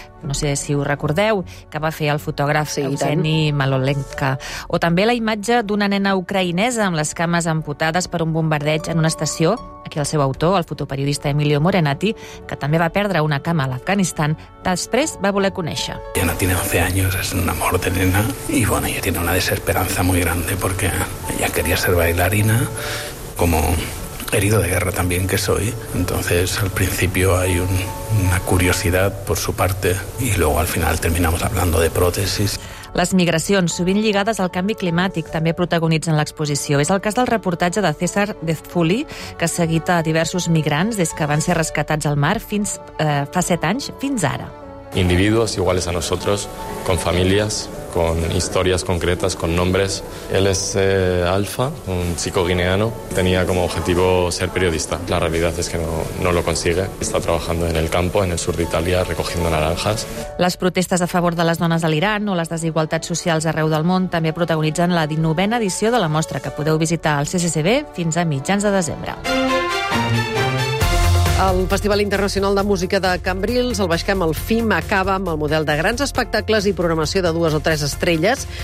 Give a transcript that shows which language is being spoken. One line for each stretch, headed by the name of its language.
Catalan: No sé si ho recordeu, que va fer el fotògraf Eugeni Malolenka. O també la imatge d'una nena ucraïnesa amb les cames amputades per un bombardeig en una estació. Aquí el seu autor, el fotoperiodista Emilio Morenati, que també va perdre una cama a l'Afganistan, després va voler conèixer.
Spanish: Ya no tiene 11 años, es una amor de nena. Y bueno, ella tiene una desesperanza muy grande porque ella quería ser bailarina como... herido de guerra también que soy. Entonces, al principio hay una curiosidad por su parte y luego al final terminamos hablando de prótesis.
Catalan: Les migracions, sovint lligades al canvi climàtic, també protagonitzen l'exposició. És el cas del reportatge de César Dezfuli, que ha seguit a diversos migrants des que van ser rescatats al mar fins fa 7 anys, fins ara.
Spanish: Individuos iguales a nosotros, con familias, con historias concretas, con nombres. Él es Alfa, un chico guineano. Tenía como objetivo ser periodista. La realidad es que no lo consigue. Está trabajando en el campo, en el sur de Italia, recogiendo naranjas.
Catalan: Les protestes a favor de les dones a l'Iran o les desigualtats socials arreu del món també protagonitzen la 19a edició de la mostra, que podeu visitar al CCCB fins a mitjans de desembre. El Festival Internacional de Música de Cambrils, el Baix Camp, el FIM, acaba amb el model de grans espectacles i programació de 2 o 3 estrelles.